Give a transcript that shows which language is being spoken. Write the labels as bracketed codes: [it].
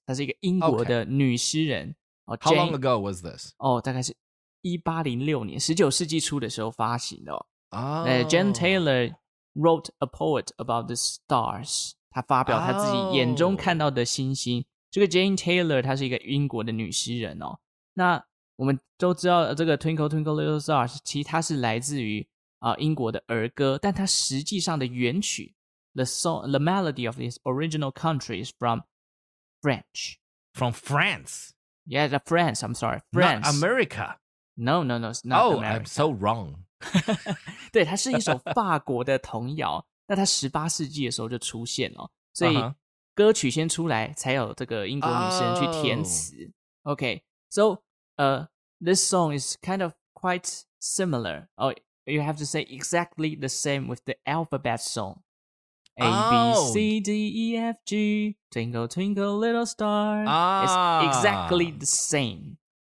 [zh] 她是一个英国的女诗人。 [en] Okay. Oh, Jane, How long ago was this? [zh] Oh, 大概是1806年 ,19 世纪初的时候发行的。 Oh. [en] Jane Taylor wrote a poet about the stars. [zh] 他发表他自己眼中看到的星星。这个 Jane Taylor 她是一个英国的女诗人哦。那我们都知道这个 Twinkle Twinkle Little Star 其实它是来自于英国的儿歌，但它实际上的原曲 [en] The song, the melody of its original country is from French. From France? Yeah, the France, I'm sorry. France. Not America. No, it's not America. I'm so wrong. [zh] 对，它是一首法国的童谣，那它18世纪的时候就出现了，所以歌曲先出来才有这个英国女诗人去填词。 [en] OK, so this song is kind of quite similar. Oh, you have to say exactly the same with the alphabet song. A, B, C, D, E, F, G, Twinkle, Twinkle, Little Star. It's exactly the same.